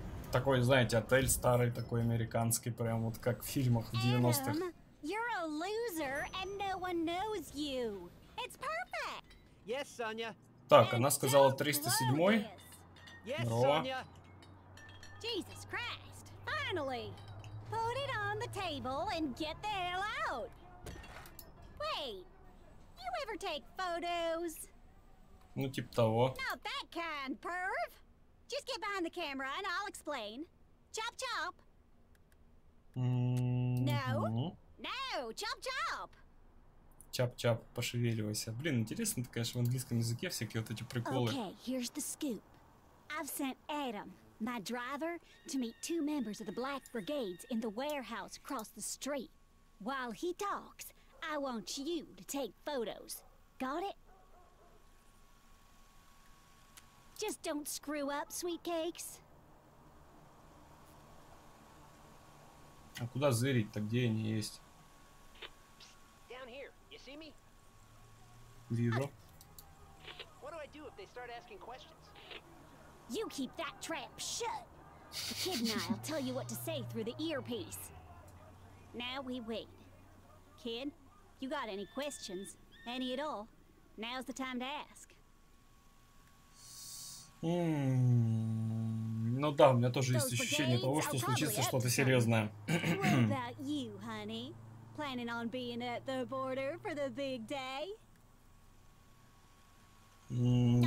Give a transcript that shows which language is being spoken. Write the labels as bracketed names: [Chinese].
[Russian] Такой, знаете, отель старый, такой американский, прям вот как в фильмах в 90-х. [English] You're a loser, and no one knows you. It's perfect. Yes, Sonya. [Russian] Так, она сказала 307-й. [English] Yes, Sonya. Jesus Christ, finally. Put it on the table and get the hell out. Wait. You ever take photos? [Russian] Ну, типа того. [English] Not that kind, perv. Just get behind the camera and I'll explain. Chop chop. No. No, chop chop. Chop chop, [Russian] пошевеливайся. Блин, интересно, ты, конечно, в английском языке всякие вот эти приколы. [English] Okay, here's the scoop. I've sent Adam, my driver, to meet two members of the Black Brigades in the warehouse across the street. While he talks, I want you to take photos. Got it? Just don't screw up, sweet cakes. [Russian] А куда зырить-то? Где они есть? [English] Down here. You see me? [Russian] Вижу. [English] What do I do if they start asking questions? You keep that trap shut. The kid and I'll tell you what to say through the earpiece. Now we wait. Kid? You got any questions? Any at all? Now's the time to ask. [Russian] Ну да, у меня тоже есть ощущение того, что случится что-то серьезное. [English] What about you, honey? Planning on being at the border for the big day?